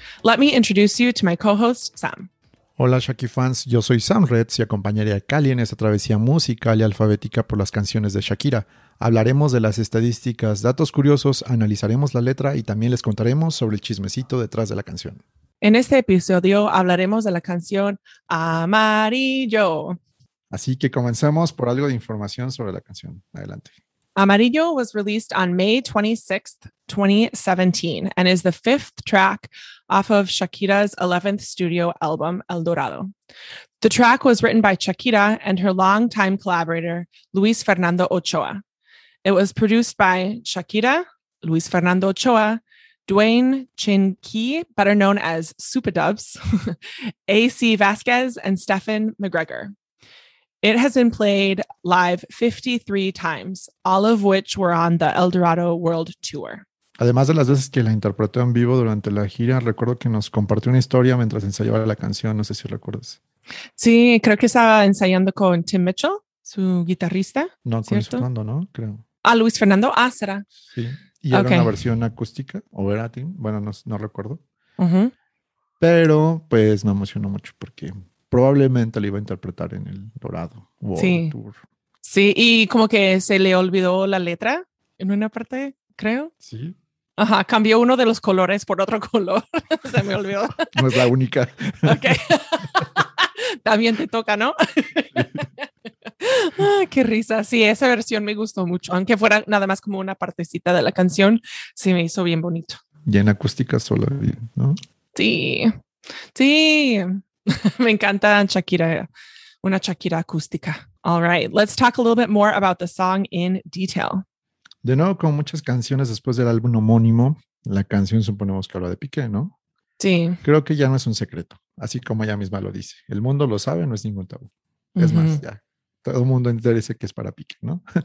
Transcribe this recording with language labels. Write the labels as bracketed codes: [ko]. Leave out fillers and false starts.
[en] Let me introduce you to my co-host, Sam. [es] Hola Shaki fans, yo soy Sam Retz y acompañaré a Callie en esta travesía musical y alfabética por las canciones de Shakira. Hablaremos de las estadísticas, datos curiosos, analizaremos la letra y también les contaremos sobre el chismecito detrás de la canción. En este episodio hablaremos de la canción Amarillo. Así que comencemos por algo de información sobre la canción. Adelante. [en] Amarillo was released on May 26th, 2017, and is the fifth track off of Shakira's 11th studio album, El Dorado. The track was written by Shakira and her longtime collaborator, Luis Fernando Ochoa. It was produced by Shakira, Luis Fernando Ochoa, Dwayne Chinqui, better known as Superdubs, A.C. Vasquez, and Stefan McGregor. It has been played live 53 times, all of which were on the El Dorado World Tour. [es] Además de las veces que la interpretó en vivo durante la gira, recuerdo que nos compartió una historia mientras ensayaba la canción, no sé si recuerdas. Sí, creo que estaba ensayando con Tim Mitchell, su guitarrista. No, con Luis Fernando, ¿no? Creo. Ah, Luis Fernando, ah, será. Sí. Y era okay. Una versión acústica, o era Tim, bueno, no recuerdo. Uh-huh. Pero, pues, me emocionó mucho porque probablemente la iba a interpretar en el Dorado World Tour. Sí, y como que se le olvidó la letra en una parte, creo. Sí. Ajá, cambió uno de los colores por otro color. Se me olvidó. No es la única. Ok. También te toca, ¿no? Ay, qué risa. Sí, esa versión me gustó mucho. Aunque fuera nada más como una partecita de la canción, sí me hizo bien bonito. Y en acústica solo, ¿no? Sí. Sí. Me encanta Shakira. Una Shakira acústica. [en] All right. Let's talk a little bit more about the song in detail. [es] De nuevo, con muchas canciones después del álbum homónimo, la canción suponemos que habla de Piqué, ¿no? Sí. Creo que ya no es un secreto. Así como ella misma lo dice. El mundo lo sabe, no es ningún tabú. Es uh-huh. más, ya. Todo el mundo interesa que es para Piqué, ¿no?